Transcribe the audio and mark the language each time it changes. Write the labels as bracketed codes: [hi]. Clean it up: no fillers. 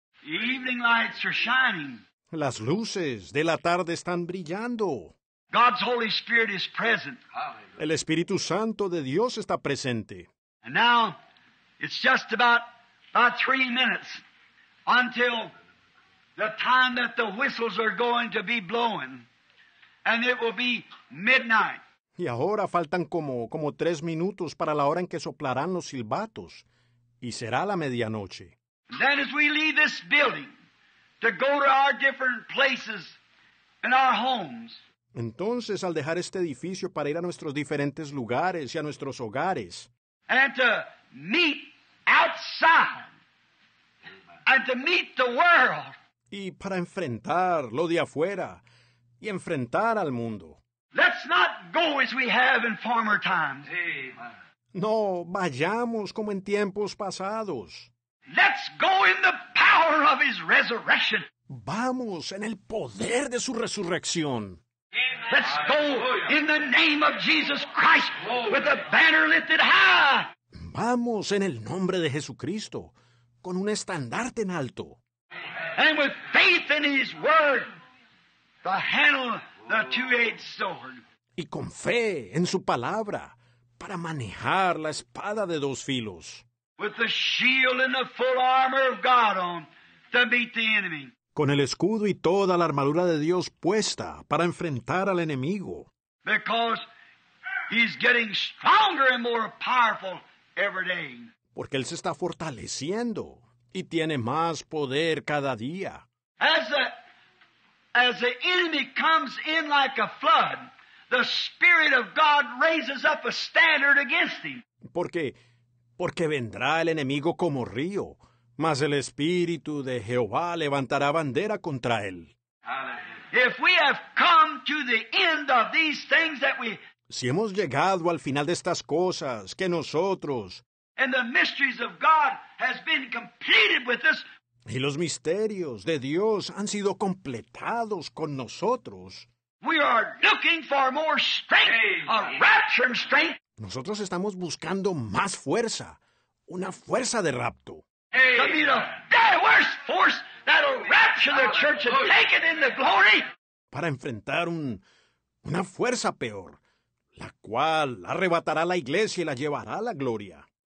[en] Evening lights are shining. [es] Las luces de la tarde están brillando. [en] God's Holy Spirit is present. [es] El Espíritu Santo de Dios está presente. [en] And now it's just about 3 minutes until the time that the whistles are going to be blowing, and it will be midnight. [es] Y ahora faltan como 3 minutos para la hora en que soplarán los silbatos, y será la medianoche. [en] Then as we leave this building to go to our different places and our homes. [es] Entonces, al dejar este edificio para ir a nuestros diferentes lugares y a nuestros hogares. [en] And to meet outside. And to meet the world. [es] Y para enfrentar lo de afuera y enfrentar al mundo. [en] Let's not go as we have in former times. Amen. [es] No, vayamos como en tiempos pasados. [en] Let's go in the power of his resurrection. [es] Vamos en el poder de su resurrección. [en] Amen. Let's go in the name of Jesus Christ with a banner lifted high. [es] Vamos en el nombre de Jesucristo con un estandarte en alto. [en] And with faith in his word, the handle, the two-edged sword. [es] Y con fe en su palabra, para manejar la espada de dos filos. [en] With the shield and the full armor of God on, to meet the enemy. [es] Con el escudo y toda la armadura de Dios puesta para enfrentar al enemigo. [en] Because he's getting stronger and more powerful every day. [es] Porque él se está fortaleciendo. Y tiene más poder cada día. [en] As the enemy comes in like a flood, the Spirit of God raises up a standard against him. [es] Porque vendrá el enemigo como río, mas el Espíritu de Jehová levantará bandera contra él. [en] If we have come to the end of these things that we... [es] Si hemos llegado al final de estas cosas, que nosotros... [en] And the mysteries of God has been completed with us. [es] Y los misterios de Dios han sido completados con nosotros. [en] We are looking for more strength, a rapture and strength. [es] Nosotros estamos buscando más fuerza, una fuerza de rapto. [en] To be the diverse force that'll rapture the church and take it into glory. [es] Para enfrentar una fuerza peor, la cual arrebatará la iglesia y la llevará a la gloria.